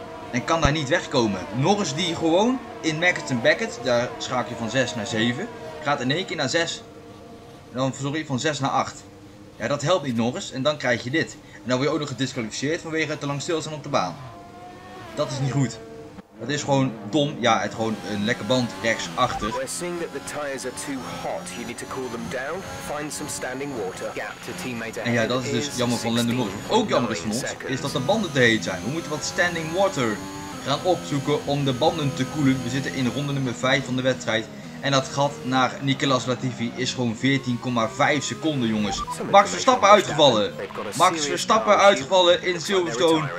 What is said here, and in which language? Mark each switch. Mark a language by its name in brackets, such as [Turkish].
[Dutch] En kan daar niet wegkomen. Norris die gewoon in Mackets & Beckets, daar schakel je van 6 naar 7. Gaat in één keer naar 6. Dan, sorry, van 6 naar 8. Ja, dat helpt niet Norris. En dan krijg je dit. En dan word je ook nog gedisqualificeerd vanwege te lang stilstaan op de baan. Dat is niet goed. Dat is gewoon dom. Ja, het gewoon een lekke band rechtsachter. We zien dat de [English] tires are too hot. You need to cool them down. Find some standing water. Gap to teammate. [Dutch] En ja, dat is dus jammer van Lando Norris. Wat ook jammer is van ons, is dat de banden te heet zijn. We moeten wat standing water gaan opzoeken om de banden te koelen. We zitten in ronde nummer 5 van de wedstrijd. En dat gat naar Nicolas Latifi is gewoon 14,5 seconden, jongens. Max Verstappen uitgevallen. Max Verstappen uitgevallen in Silverstone.